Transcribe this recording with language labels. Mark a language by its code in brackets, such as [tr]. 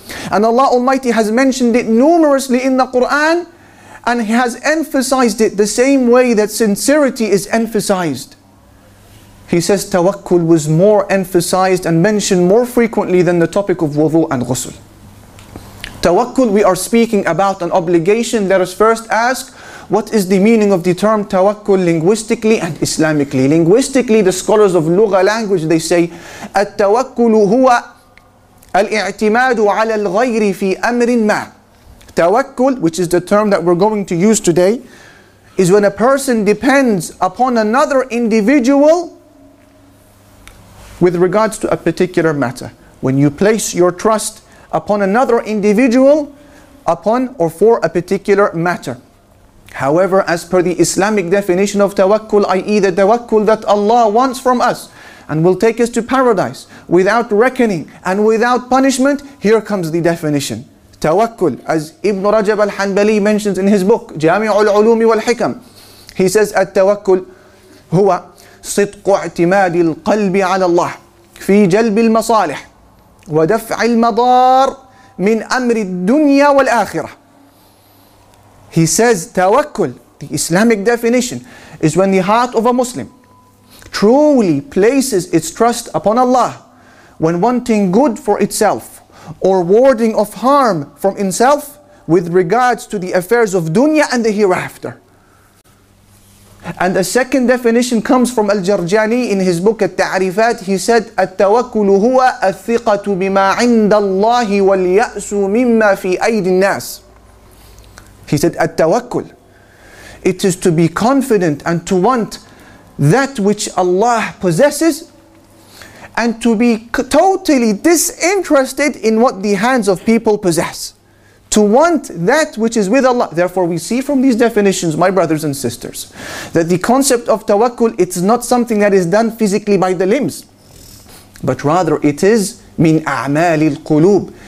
[en] And Allah Almighty has mentioned it numerously in the Quran, and He has emphasized it the same way that sincerity is emphasized. He says tawakkul was more emphasized and mentioned more frequently than the topic of wudu and ghusl. Tawakkul, we are speaking about an obligation. Let us first ask, what is the meaning of the term tawakkul linguistically and Islamically? Linguistically, the scholars of Lugha language, they say, [ar] التوكل هو الاعتماد على الغير في أمر ما. [en] Tawakkul, which is the term that we're going to use today, is when a person depends upon another individual with regards to a particular matter. When you place your trust upon another individual, upon or for a particular matter. However, as per the Islamic definition of tawakkul, i.e. the tawakkul that Allah wants from us and will take us to paradise without reckoning and without punishment, here comes the definition. Tawakkul, as Ibn Rajab al-Hanbali mentions in his book, Jami'ul Ulumi wal-Hikam, he says, at tawakkul [ar] هو صدق اعتماد القلب على الله في جلب المصالح ودفع المضار من أمر الدنيا والآخرة. [en] He says tawakkul, the Islamic definition, is when the heart of a Muslim truly places its trust upon Allah when wanting good for itself or warding off harm from himself with regards to the affairs of dunya and the hereafter. And the second definition comes from Al-Jarjani in his book At-Ta'rifat. He said, [ar] التوكل هو الثقة بما عند الله واليأس مما في أيدي الناس. [en] He said, التوكل. It is to be confident and to want that which Allah possesses and to be totally disinterested in what the hands of people possess. To want that which is with Allah. Therefore, we see from these definitions, my brothers and sisters, that the concept of tawakkul, it's not something that is done physically by the limbs, but rather it is [ar] min a'mali al-qulub.